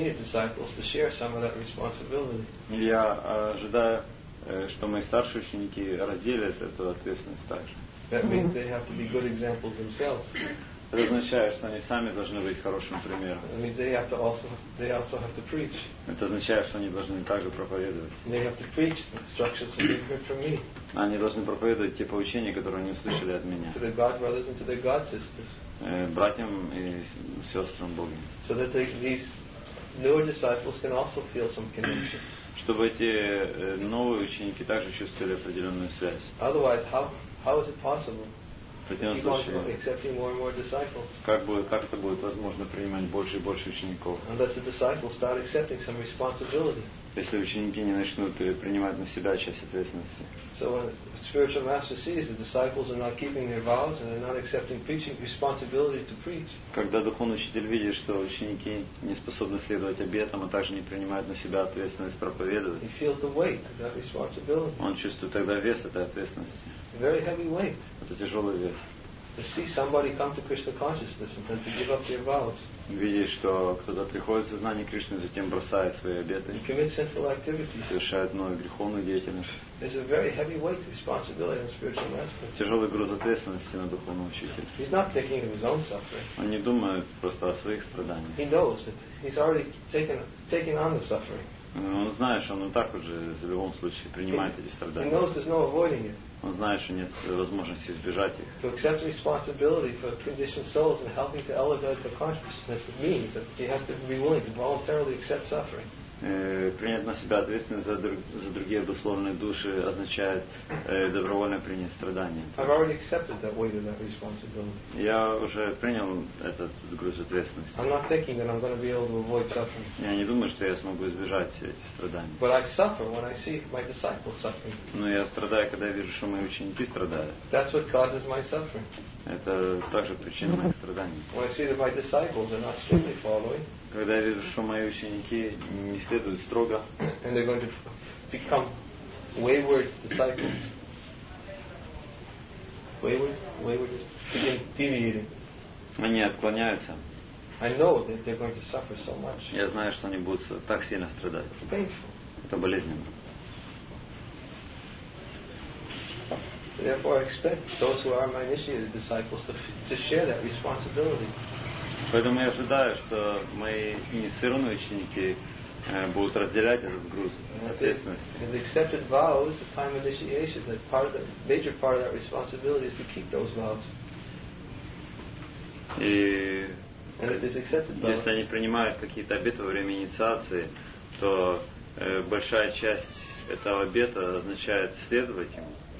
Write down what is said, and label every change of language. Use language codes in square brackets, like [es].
[ru] Я ожидаю, что мои старшие ученики разделят эту ответственность также. [en] That means they have to be good examples themselves. [ru] Это означает, что они сами должны быть хорошим примером. [en] That means they also have to preach. [ru] Это означает, что они должны также проповедовать. [en] They have to preach the instructions that they've heard from me. [ru] Они должны проповедовать те поучения, которые они услышали от меня. [en] To their God brothers and to their God sisters. [ru] Братьям и сестрам Богу. [en] So that these newer disciples can also feel some connection. [ru] Чтобы эти новые ученики также чувствовали определенную связь. [en] Otherwise, how is it possible? Accepting more and more disciples. [ru] Как это будет возможно принимать больше и больше учеников? [en] Unless the disciples start accepting some responsibility. [ru] Если ученики не начнут принимать на себя часть ответственности. [en] So when the spiritual master sees the disciples are not keeping their vows and they're not accepting preaching responsibility to preach. [ru] Когда духовный учитель видит, что ученики не способны следовать обетам, а также не принимают на себя ответственность проповедовать. [en] He feels the weight of that responsibility. [ru] Он чувствует тогда вес этой ответственности. [en] A very heavy weight. [ru] Это тяжелый вес. [en] To see somebody come to Krishna consciousness and then to give up their vows. [ru] Видеть, что кто-то приходит в сознание Кришны, затем бросает свои обеты. [en] And commit sinful activities. [ru] Совершает новую греховную деятельность. [en] There's a very heavy weight of responsibility on spiritual master. [ru] Тяжелый груз ответственности на духовного учителя. [en] He's not thinking of his own suffering. [ru] Он не думает просто о своих страданиях. [en] He knows that he's already taken on the suffering. [ru] Он знает, что он так уже в любом случае принимает эти страдания. [en] He knows there's no avoiding it. [ru] Он знает, что нет возможности избежать их. [en] To accept responsibility for conditioned souls and helping to elevate the consciousness means that he has to be willing to voluntarily accept suffering. [ru] Принять на себя ответственность за другие обусловленные души означает добровольно принять страдания. [en] I've already accepted that weight of that responsibility. [ru] Я уже принял этот груз ответственности. [en] I'm not thinking that I'm going to be able to avoid suffering. [ru] Я не думаю, что я смогу избежать этих страданий. [en] But I suffer when I see my disciples suffering. [ru] Но я страдаю, когда я вижу, что мои ученики страдают. [en] That's what causes my suffering. [ru] Это также причина моих страданий. [en] When I see that my disciples are not strictly following. [ru] Когда я вижу, что мои ученики не следуют строго, [en] and they're going to become wayward disciples. Wayward, begin deviating. [ru] Они отклоняются. [en] I know that they're going to suffer so much. [ru] Я знаю, что они будут так сильно страдать. [en] It's painful. [ru] Это болезненно. [en] Therefore, I expect those who are my initiated disciples to share that responsibility. [ru] Поэтому я ожидаю, что мои инициированные ученики будут разделять этот груз ответственности. [en] And the accepted vows at time of initiation, that part of the major part of that responsibility is to keep those vows. [ru] И [en] accepted, [ru] если они принимают какие-то обеты во время инициации, то большая часть этого обета означает следовать ему.